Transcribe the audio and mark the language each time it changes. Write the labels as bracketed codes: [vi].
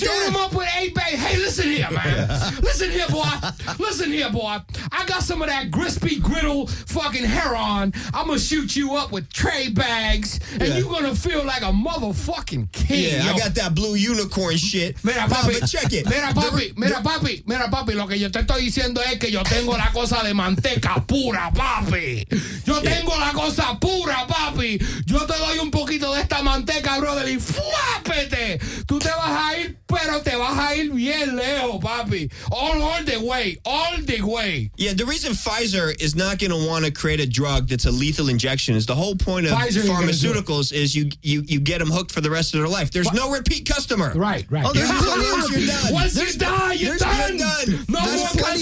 [en] death. Shoot him up with 8 bags. Hey, listen here, man. Listen here, boy. Listen here, boy. I got some of that crispy griddle fucking heroin. I'm going to shoot you up with tray bags, and you're going to feel like a motherfucking king. Yeah, I got that blue unicorn shit. [es] Mira, papi. [en] Check it. [es] Mira, papi. Lo que yo te estoy diciendo es que yo tengo la cosa de manteca pura, papi. Yo tengo la cosa pura, papi. Yo te doy un poquito de esta manteca, brother, y ¡fuápete! Tú te vas a ir, pero te vas a ir bien lejos, papi. [en] All the way. Yeah, the reason Pfizer is not going to want to create a drug that's a lethal injection is the whole point of Pfizer pharmaceuticals is you get them hooked for the rest of their life. There's no repeat customer. Right. Oh, there's plenty of you're done. Once there's, you die, you're done. No there's more plenty